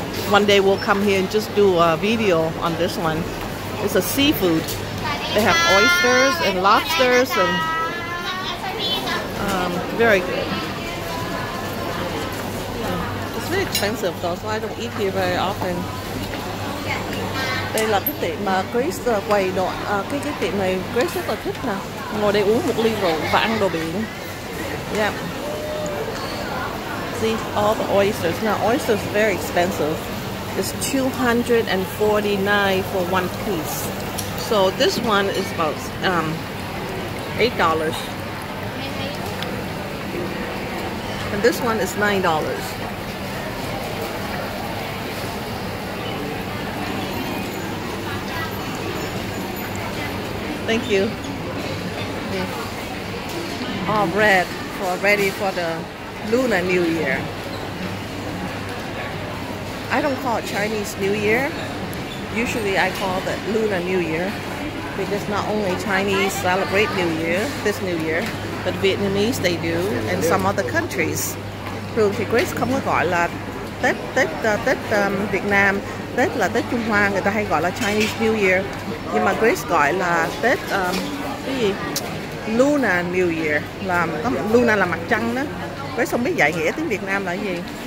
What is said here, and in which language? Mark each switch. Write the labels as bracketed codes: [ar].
[en] one day we'll come here and just do a video on this one. It's a seafood. They have oysters and lobsters and very good. It's very expensive though, so I don't eat here very often. [vi] Đây là cái tiệm mà Chris quay đồ cái tiệm này Chris rất là thích nè. Ngồi đây uống một ly rượu và ăn đồ biển. [en] Yeah. See all the oysters. Now oysters are very expensive. It's 249 for one piece. So this one is about $8. And this one is $9. Thank you. All red for ready for the Lunar New Year. I don't call it Chinese New Year. Usually I call it Lunar New Year because not only Chinese celebrate New Year, this New Year, but Vietnamese they do and some other countries. [vi] Thường thì Grace không có gọi là Tết Việt Nam. Tết là Tết Trung Hoa, người ta hay gọi là Chinese New Year. Nhưng mà Grace gọi là Tết cái gì? Lunar New Year. Là có Luna là mặt trăng đó. Grace không biết giải nghĩa tiếng Việt Nam là gì.